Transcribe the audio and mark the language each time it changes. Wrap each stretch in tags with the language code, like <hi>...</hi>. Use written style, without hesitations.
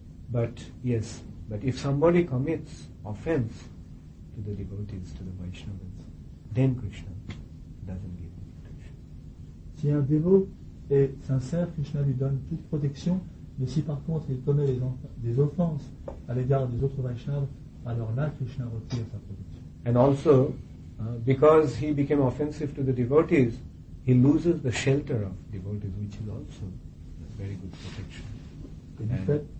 <en>But, yes, but if somebody commits offense to the devotees, to the Vaishnavas, then Krishna doesn't give any protection.</en> <fr>Si un dévot est sincère, Krishna lui donne toute protection, mais si par contre il commet des offenses à l'égard des autres Vaishnavas, alors là Krishna retire sa protection.</fr> <en>And also, because he became offensive to the devotees, he loses the shelter of devotees, which is also a very good protection.</en>